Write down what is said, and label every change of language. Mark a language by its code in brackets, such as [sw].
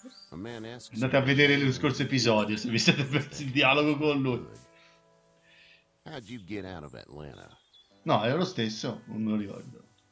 [it] Andate a vedere lo scorso episodio se vi siete persi il dialogo con lui. [en] How'd you get out of Atlanta? [it] No, è lo stesso, non lo ricordo.